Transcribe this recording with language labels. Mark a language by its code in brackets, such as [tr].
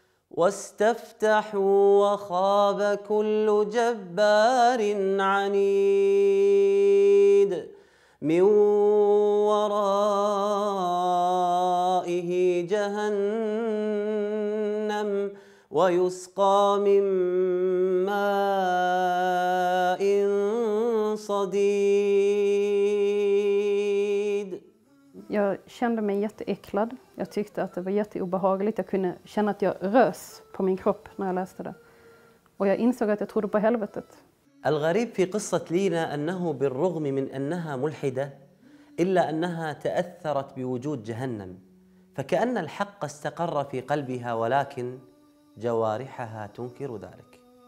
[ar] واستفتحوا وخاب كل جبار عنيد من ورائه جهنم ويسقى من ماء صديد. [sv] Jag kände mig jätteäcklad. Jag tyckte att det var jätteobehagligt. Jag kunde känna att jag rös på min kropp när jag läste det. Och jag insåg att jag trodde på helvetet. [ar] الغريب في قصة لينا أنه بالرغم من أنها ملحدة إلا أنها تأثرت بوجود جهنم. فكأن الحق استقر في قلبها ولكن جوارحها تنكر ذلك.